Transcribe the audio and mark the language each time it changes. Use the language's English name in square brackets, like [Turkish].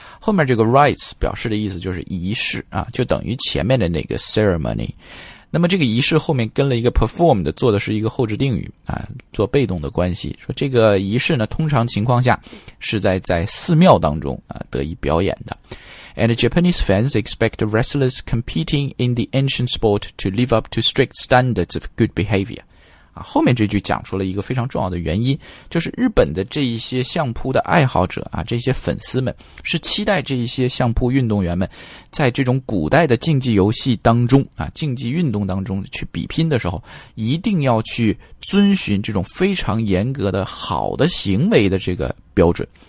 [Chinese] 后面这个 rites 表示的意思就是仪式啊，就等于前面的那个 ceremony。那么这个仪式后面跟了一个 performed, 做的是一个后置定语啊，做被动的关系。说这个仪式呢通常情况下是在寺庙当中啊得以表演的。 [English] And Japanese fans expect wrestlers competing in the ancient sport to live up to strict standards of good behavior. [Chinese] 啊，后面这句讲出了一个非常重要的原因，就是日本的这一些相扑的爱好者啊，这些粉丝们是期待这一些相扑运动员们在这种古代的竞技游戏当中啊，竞技运动当中去比拼的时候，一定要去遵循这种非常严格的好的行为的这个标准。